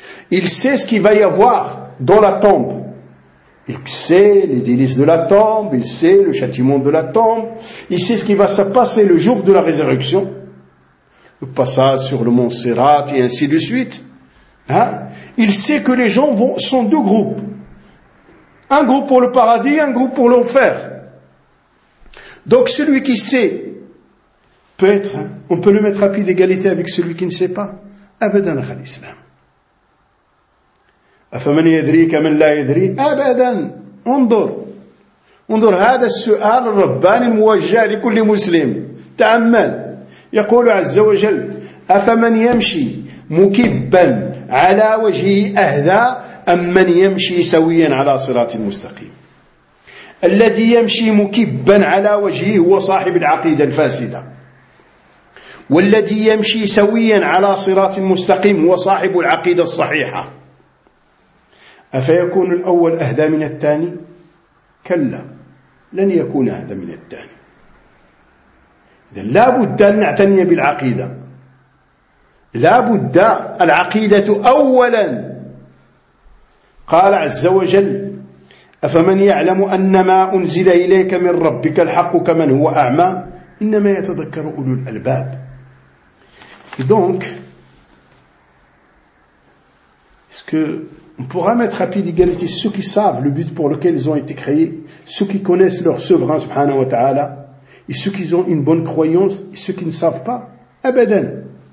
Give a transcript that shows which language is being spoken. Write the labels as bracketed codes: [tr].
[fr] Il sait ce qu'il va y avoir dans la tombe. Il sait les délices de la tombe, il sait le châtiment de la tombe, il sait ce qui va se passer le jour de la résurrection, le passage sur le mont Sirat et ainsi de suite. Hein? Il sait que les gens sont deux groupes. Un groupe pour le paradis, un groupe pour l'enfer. Donc celui qui sait peut être, on peut le mettre à pied d'égalité avec celui qui ne sait pas. Abadan al-Khalislam. [ar] أفمن يدري كمن لا يدري أبدا انظر انظر هذا السؤال الرباني الموجه لكل مسلم تأمل يقول عز وجل أفمن يمشي مكبا على وجهه أهدى أم من يمشي سويا على صراط مستقيم الذي يمشي مكبا على وجهه هو صاحب العقيدة الفاسدة والذي يمشي سويا على صراط مستقيم هو صاحب العقيدة الصحيحة أفيكون الأول أهدى من الثاني؟ كلا لن يكون أهدى من الثاني. إذن لابد أن نعتني بالعقيدة. لابد العقيدة أولا. قال عز وجل أفمن يعلم أن ما أنزل إليك من ربك الحق كمن هو أعمى إنما يتذكر أولو الألباب. إذنك إسكو [fr] on pourra mettre à pied d'égalité ceux qui savent le but pour lequel ils ont été créés, ceux qui connaissent leur souverain, subhanahu wa ta'ala, et ceux qui ont une bonne croyance, et ceux qui ne savent pas. Abadan.